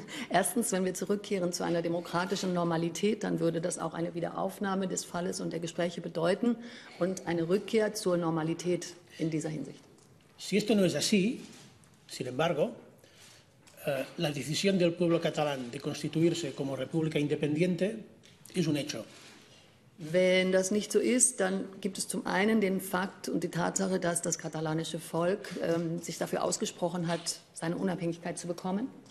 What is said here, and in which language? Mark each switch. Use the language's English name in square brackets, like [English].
[German] Erstens, wenn wir zurückkehren zu einer demokratischen Normalität, dann würde das auch eine Wiederaufnahme des Falles und der Gespräche bedeuten und eine Rückkehr zur Normalität in dieser Hinsicht. [Spanish] Si esto no es así, sin embargo, la decisión del pueblo catalán de constituirse como república independiente es un hecho. [German] Wenn das nicht so ist, dann gibt es zum einen den Fakt und die Tatsache, dass das katalanische Volk sich dafür ausgesprochen hat, seine Unabhängigkeit zu bekommen.